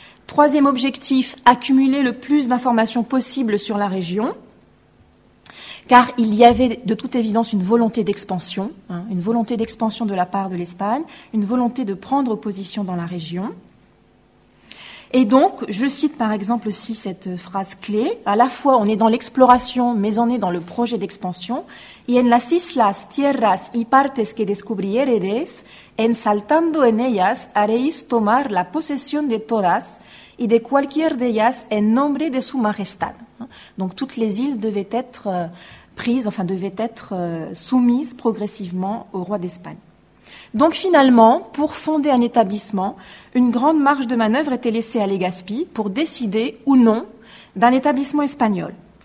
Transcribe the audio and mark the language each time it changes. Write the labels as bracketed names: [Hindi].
[French] Troisième objectif, accumuler le plus d'informations possibles sur la région, car il y avait de toute évidence une volonté d'expansion, hein, une volonté d'expansion de la part de l'Espagne, une volonté de prendre position dans la région. Et donc, je cite par exemple aussi cette phrase clé, à la fois on est dans l'exploration, mais on est dans le projet d'expansion. [Spanish] Y en las islas, tierras y partes que descubrieredes, en saltando en ellas, haréis tomar la posesión de todas y de cualquier de ellas en nombre de su majestad. [French] Donc toutes les îles devaient être prises, enfin devaient être soumises progressivement au roi d'Espagne. Donc finalement, pour fonder un établissement, une grande marge de manœuvre était laissée à Legazpi pour décider ou non d'un établissement espagnol.